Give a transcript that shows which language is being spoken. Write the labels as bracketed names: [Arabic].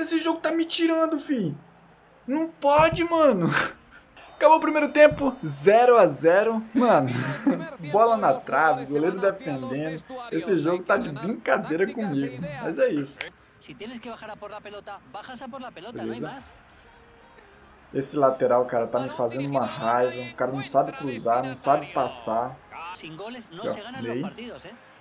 [Portuguese] Esse jogo tá me tirando, fi. Não pode, mano. Acabou o primeiro tempo. 0-0. Mano, bola na trave, goleiro defendendo. Esse jogo tá de brincadeira comigo. Mas é isso. [Spanish] Si tienes que bajar a por la pelota, bajas a por la pelota, no hay más. [Portuguese] Esse lateral, cara, tá me fazendo uma raiva. O cara não sabe cruzar, não sabe passar. [Spanish] Sin goles no se ganan los partidos, eh.